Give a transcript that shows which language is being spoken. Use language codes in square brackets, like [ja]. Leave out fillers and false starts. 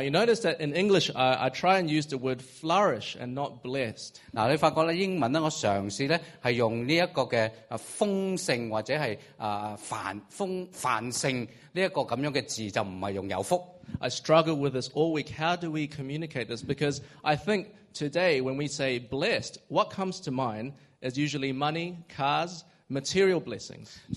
[en] you notice that in English I try and use the word flourish and not blessed. [zh] 你发觉英文我尝试用这个丰盛或者繁盛这个字，就不是用有福。 [en] I struggle with this all week. How do we communicate this? Because I think today when we say blessed, what comes to mind is usually money, cars, material blessings.